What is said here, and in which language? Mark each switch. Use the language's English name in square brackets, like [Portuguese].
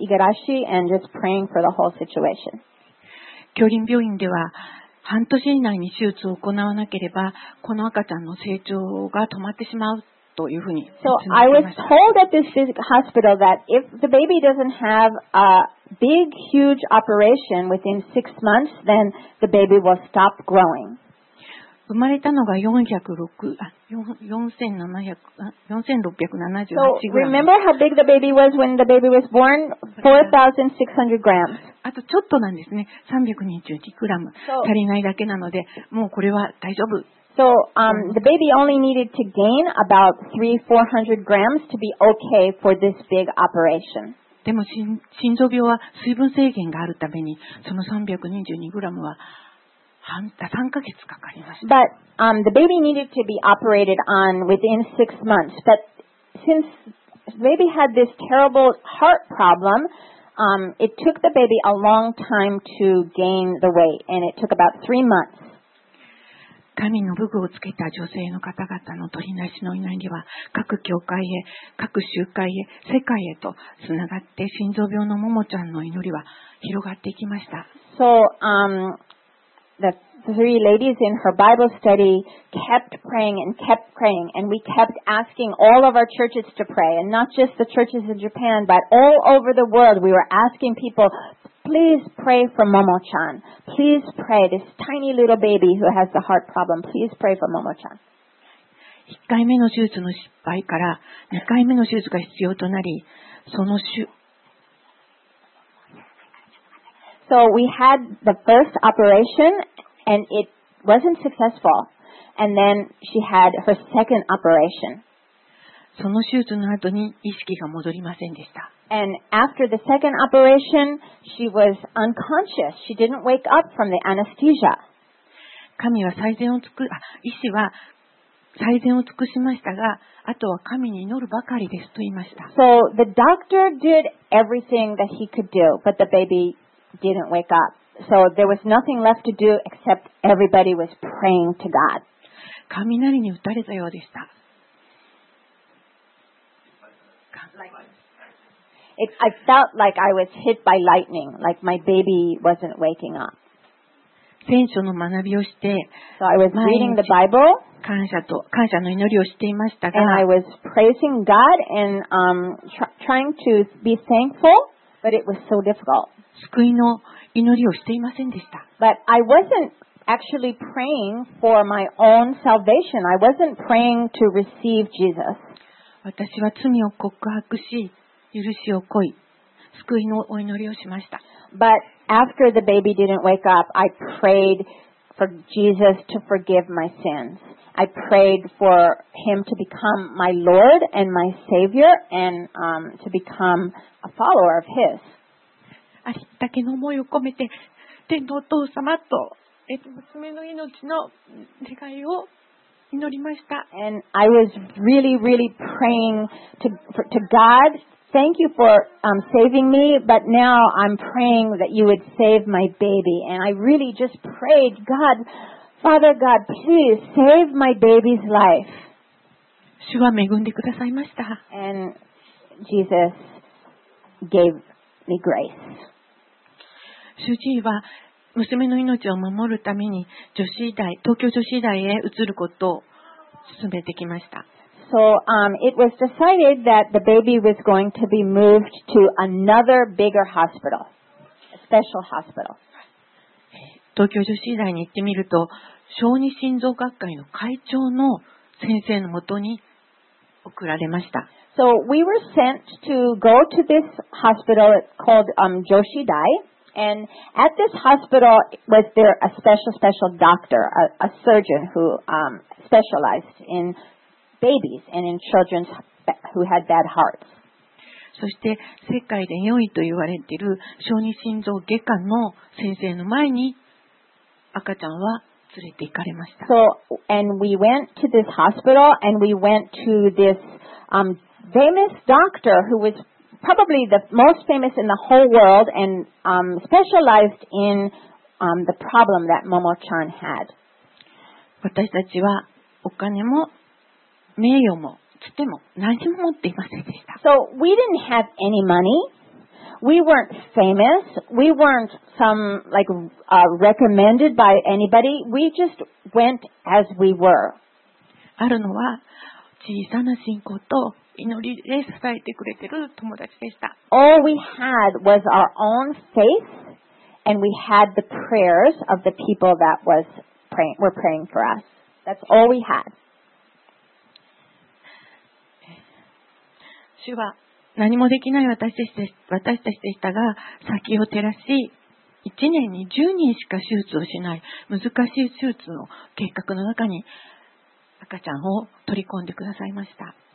[English] Igarashi and just praying for the whole situation. [Japanese] 杏林病院では半年以内に手術を行わなければこの赤ちゃんの成長が止まってしまうというふうに [English] So I was told at this physical hospital that if the baby doesn't have a big, huge operation within 6 months, then the baby will stop growing. [Japanese] 生まれたのが4678グラム。 [English] So remember how big the baby was when the baby was born? 4,600 grams. [Japanese] あとちょっとなんですね。320グラム足りないだけなので、もうこれは大丈夫。 [English] So, the baby only needed to gain about 300-400 grams to be okay for this big operation. [Japanese] でも心臓病は水分制限があるために、その322グラムは3ヶ月かかりました。 [English] But, the baby needed to be operated on within 6 months. But since the baby had this terrible heart problem, it took the baby a long time to gain the weight, and it took about 3 months. [Japanese] 神の武具をつけた女性の方々の取りなしの祈りは各教会へ、各集会へ、世界へとつながって心臓病のももちゃんの祈りは広がっていきました。 [English] So, the three ladies in her Bible study kept praying and kept praying, and we kept asking all of our churches to pray, and not just the churches in Japan, but all over the world, we were asking people. Please pray for Momo-chan. Please pray this tiny little baby who has the heart problem. Please pray for Momo-chan. [Japanese] 1回目の手術の失敗から2回目の手術が必要となり、その手 [English] So we had the first operation and it wasn't successful. And then she had her second operation. [Japanese] その手術の後に意識が戻りませんでした。 [English] And after the second operation, she was unconscious. She didn't wake up from the anesthesia. [Japanese] 神は最善を尽く、医師は最善を尽くしましたが、あとは神に祈るばかりですと言いました。 [English] So the doctor did everything that he could do, but the baby didn't wake up. So there was nothing left to do except everybody was praying to God. [Japanese] 雷に打たれたようでした。 [English] I felt like I was hit by lightning, like my baby wasn't waking up. [Japanese] 聖書の学びをして、 [English] so I was reading the Bible, [Japanese] 感謝の祈りをしていましたが、 [English] and I was praising God and trying to be thankful, but it was so difficult. [Japanese] 救いの祈りをしていませんでした。 [English] But I wasn't actually praying for my own salvation. I wasn't praying to receive Jesus. [Japanese] 私は罪を告白し、許しを請い、救いのお祈りをしました。 [English] But after the baby didn't wake up, I prayed for Jesus to forgive my sins. I prayed for him to become my Lord and my Savior and to become a follower of his. [Japanese] ありったけの思いを込めて、天のお父様と、娘の命の願いを祈りました。 [English] And I was really, really praying to God. Thank you for saving me, but now I'm praying that you would save my baby. And I really just prayed, God, Father God, please save my baby's life. [Japanese] 主は恵んでくださいました。 [English] And Jesus gave me grace. [Japanese] 主治医は娘の命を守るために女子医大、東京女子医大へ移ることを進めてきました。 [English] So it was decided that the baby was going to be moved to another bigger hospital, a special hospital. [Japanese] 東京女子医大に行ってみると、小児心臓学会の会長の先生のもとに送られました。 [English] So we were sent to go to this hospital called Joshidai, and at this hospital was there a special, special doctor, a surgeon who specialized in. Babies and in children who had bad hearts. [Japanese] そして世界で4位と言われている小児心臓外科の先生の前に赤ちゃんは連れて行かれました。 [English] So, and we went to this hospital and we went to this famous doctor who was probably the most famous in the whole world and specialized in the problem that Momo-chan had. [Japanese] 私たちはお金も名誉もつても何も持っていませんでした。 [English] So we didn't have any money. We weren't famous. We weren't some like recommended by anybody. We just went as we were. [Japanese] あるのは小さな信仰と祈りで支えてくれてる友達でした。 [English] All we had was our own faith, and we had the prayers of the people that were praying for us. That's all we had. [Japanese] 主は何もできない私たちでしたが、先を照らし、1年に10人しか手術をしない難しい手術の計画の中に赤ちゃんを取り込んでくださいました。